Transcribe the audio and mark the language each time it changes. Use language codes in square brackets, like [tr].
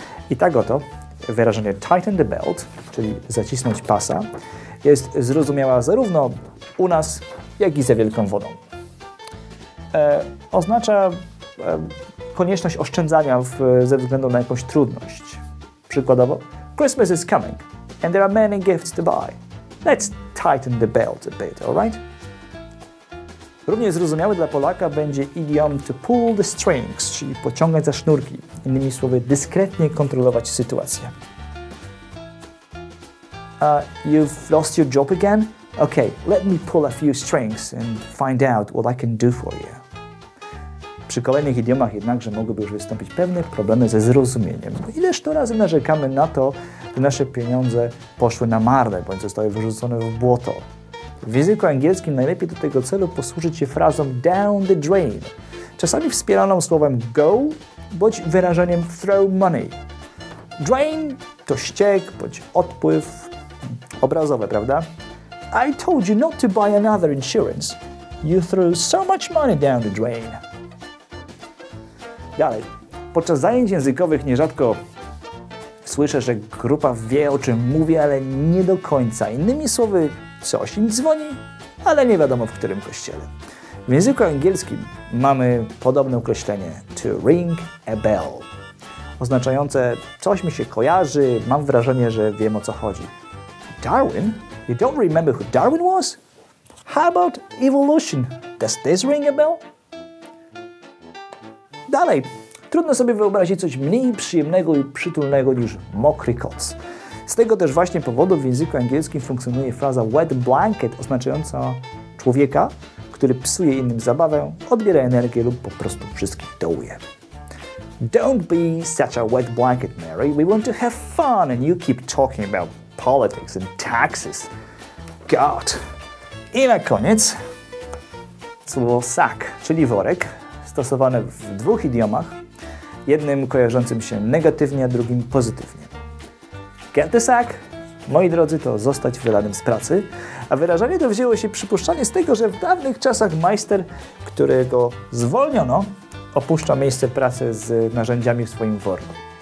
[pl] I tak oto, wyrażenie [en] tighten the belt, [pl] czyli zacisnąć pasa, jest zrozumiała zarówno u nas, jak i za wielką wodą. Oznacza konieczność oszczędzania ze względu na jakąś trudność. [en] Przykładowo, Christmas is coming and there are many gifts to buy. Let's tighten the belt a bit, alright? [pl] Równie zrozumiały dla Polaka będzie idiom [en] to pull the strings, [pl] czyli pociągać za sznurki. Innymi słowy, dyskretnie kontrolować sytuację. [en] You've lost your job again? Okay, let me pull a few strings and find out what I can do for you. [pl] Przy kolejnych idiomach jednakże mogłyby już wystąpić pewne problemy ze zrozumieniem. Ileż to razy narzekamy na to, że nasze pieniądze poszły na marne, bądź zostały wyrzucone w błoto. W języku angielskim najlepiej do tego celu posłużyć się frazą [en] down the drain, [pl] czasami wspieraną słowem go, bądź wyrażeniem [en] throw money. [pl] Drain to ściek, bądź odpływ. Obrazowe, prawda? [en] I told you not to buy another insurance. You threw so much money down the drain. [pl] Dalej. Podczas zajęć językowych nierzadko słyszę, że grupa wie, o czym mówię, ale nie do końca. Innymi słowy, coś im dzwoni, ale nie wiadomo w którym kościele. W języku angielskim mamy podobne określenie [en] to ring a bell, [pl] oznaczające coś mi się kojarzy, mam wrażenie, że wiem o co chodzi. [en] Darwin? You don't remember who Darwin was? How about evolution? Does this ring a bell? [pl] Dalej, trudno sobie wyobrazić coś mniej przyjemnego i przytulnego niż mokry koc. Z tego też właśnie powodu w języku angielskim funkcjonuje fraza wet blanket, oznaczająca człowieka, który psuje innym zabawę, odbiera energię lub po prostu wszystkich dołuje. [en] Don't be such a wet blanket, Mary. We want to have fun and you keep talking about politics and taxes. God. [pl] I na koniec słowo sack, czyli worek, stosowane w dwóch idiomach, jednym kojarzącym się negatywnie, a drugim pozytywnie. [en] Get the sack? [pl] Moi drodzy, to zostać wylanym z pracy. A wyrażenie to wzięło się przypuszczalnie z tego, że w dawnych czasach majster, którego zwolniono, opuszcza miejsce pracy z narzędziami w swoim worku.